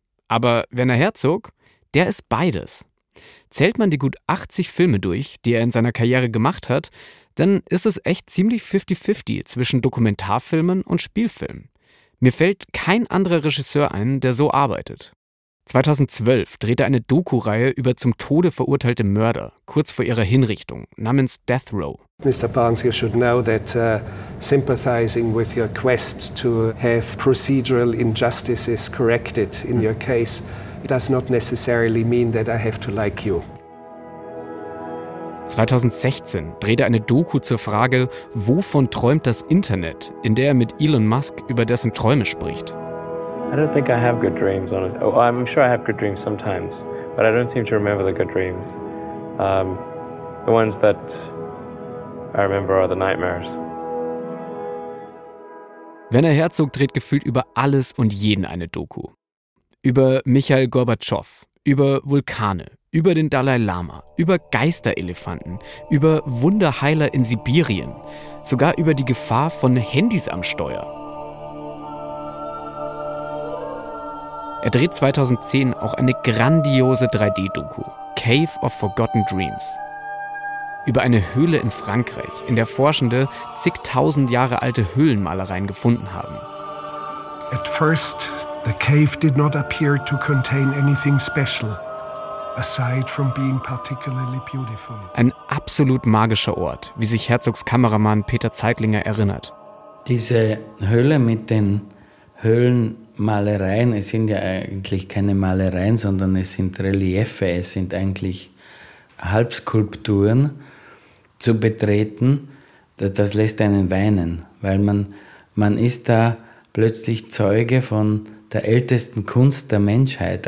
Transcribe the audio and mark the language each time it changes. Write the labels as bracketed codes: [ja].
[de] Aber Werner Herzog, der ist beides. Zählt man die gut 80 Filme durch, die er in seiner Karriere gemacht hat, dann ist es echt ziemlich 50-50 zwischen Dokumentarfilmen und Spielfilmen. Mir fällt kein anderer Regisseur ein, der so arbeitet. 2012 drehte er eine Doku-Reihe über zum Tode verurteilte Mörder, kurz vor ihrer Hinrichtung, namens Death Row. [en] Mr. Barnes, you should know that sympathizing with your quest to have procedural injustices corrected in your case does not necessarily mean that I have to like you. [de] 2016 drehte er eine Doku zur Frage, wovon träumt das Internet, in der er mit Elon Musk über dessen Träume spricht. [en] I don't think I have good dreams, honestly. Oh, I'm sure I have good dreams sometimes, but I don't seem to remember the good dreams. The ones that I remember are the nightmares. [de] Werner Herzog dreht gefühlt über alles und jeden eine Doku. Über Michael Gorbatschow, über Vulkane, über den Dalai Lama, über Geisterelefanten, über Wunderheiler in Sibirien, sogar über die Gefahr von Handys am Steuer. Er dreht 2010 auch eine grandiose 3D-Doku, Cave of Forgotten Dreams. Über eine Höhle in Frankreich, in der Forschende zigtausend Jahre alte Höhlenmalereien gefunden haben. [en] At first, the cave did not appear to contain anything special, aside from being particularly beautiful. [de] Ein absolut magischer Ort, wie sich Herzogs Kameramann Peter Zeitlinger erinnert. Diese Höhle mit den Höhlenmalereien, es sind ja eigentlich keine Malereien, sondern es sind Reliefe, es sind eigentlich Halbskulpturen zu betreten, das lässt einen weinen, weil man ist da plötzlich Zeuge von der ältesten Kunst der Menschheit.